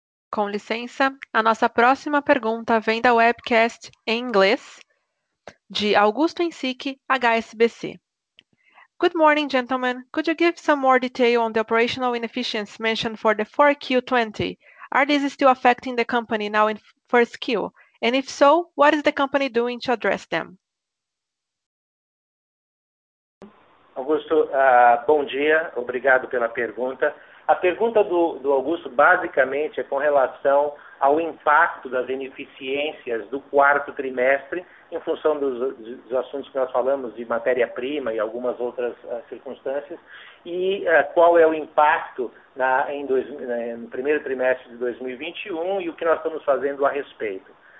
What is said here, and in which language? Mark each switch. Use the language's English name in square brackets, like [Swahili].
[Portuguese] Com licença, a nossa próxima pergunta vem da webcast em inglês, de Augusto Insique, HSBC. [English] Good morning, gentlemen. Could you give some more detail on the operational inefficiencies mentioned for the 4Q20? Are these still affecting the company now in first Q? And if so, what is the company doing to address them? [Portuguese] Augusto, bom dia, obrigado pela pergunta. A pergunta do Augusto basicamente é com relação ao impacto das ineficiências do quarto trimestre, em função dos assuntos que nós falamos de matéria-prima e algumas outras circunstâncias, e qual é o impacto no primeiro trimestre de 2021 e o que nós estamos fazendo a respeito.